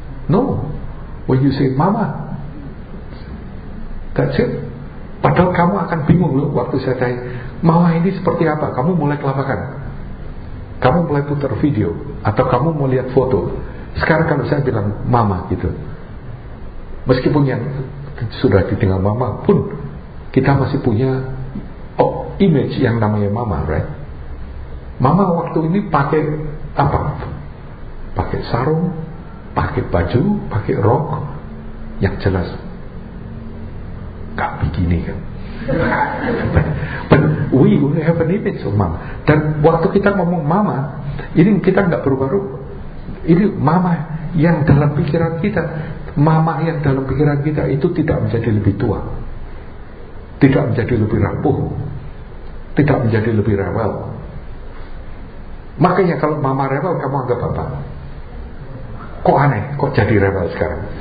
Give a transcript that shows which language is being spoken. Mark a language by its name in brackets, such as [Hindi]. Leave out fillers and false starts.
[English] No, when you say mama, that's it. [Indonesian] Padahal kamu akan bingung loh waktu saya tanya mama ini seperti apa. Kamu mulai kelabakan, kamu mulai putar video atau kamu mau lihat foto. Sekarang kalau saya bilang mama gitu, meskipun yang sudah ditinggal mama pun kita masih punya image yang namanya mama, right? Mama waktu ini pakai apa? Pakai sarung, pakai baju, pakai rok yang jelas gak begini kan. [English] But we have an image of mama. [Indonesian] Dan waktu kita ngomong mama, ini kita gak berubah-ubah. Ini mama yang dalam pikiran kita, mama yang dalam pikiran kita itu tidak menjadi lebih tua, tidak menjadi lebih rapuh, tidak menjadi lebih rewel. Makanya kalau mama rewel, kamu anggap apa? Kok aneh, kok jadi rewel sekarang?